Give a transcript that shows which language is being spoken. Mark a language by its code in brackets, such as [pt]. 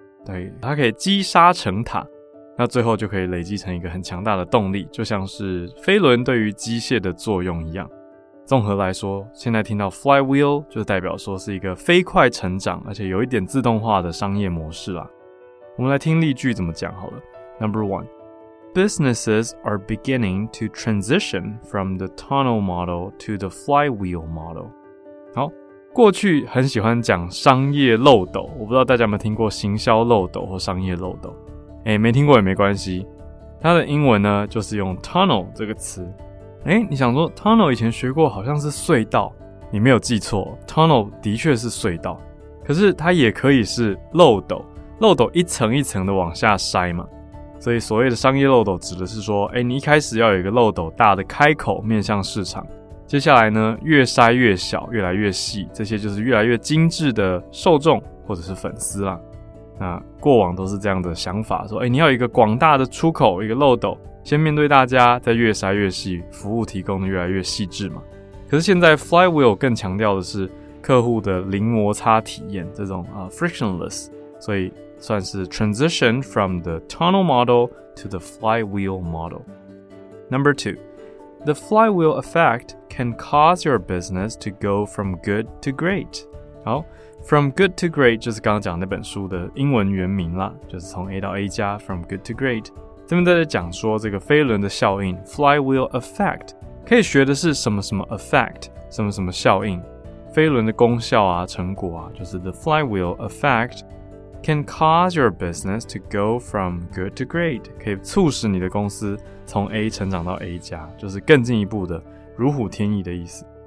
[zh] 对，它可以积沙成塔，那最后就可以累积成一个很强大的动力，就像是飞轮对于机械的作用一样。综合来说，现在听到 flywheel 就代表说是一个飞快成长而且有一点自动化的商业模式啦。我们来听例句怎么讲好了。 [en] Number one， businesses are beginning to transition from the tunnel model to the flywheel model。 [zh] 好，过去很喜欢讲商业漏斗，我不知道大家有没有听过行销漏斗或商业漏斗。没听过也没关系。它的英文呢就是用 tunnel 这个词。你想说 tunnel 以前学过好像是隧道。你没有记错， tunnel 的确是隧道。可是它也可以是漏斗。漏斗一层一层的往下筛嘛。所以所谓的商业漏斗指的是说你一开始要有一个漏斗大的开口面向市场。接下来呢越筛越小越来越细，这些就是越来越精致的受众或者是粉丝啦。那过往都是这样的想法，说你要有一个广大的出口，一个漏斗先面对大家，再越筛越细，服务提供的越来越细致嘛。可是现在 flywheel 更强调的是客户的零摩擦体验，这种frictionless， 所以算是 [en] transition from the tunnel model to the flywheel model。 Number two， the flywheel effect can cause your business to go from good to great。 [zh] 好，From good to great 就是刚刚讲那本书的英文原名啦，就是从 A 到 A 加 ,from good to great。这边在讲说这个飞轮的效应 ,flywheel effect, 可以学的是什么什么 effect, 什么什么效应。飞轮的功效啊成果啊，就是 [en] the flywheel effect can cause your business to go from good to great, [zh] 可以促使你的公司从 A 成长到 A 加，就是更进一步的如虎添翼的意思。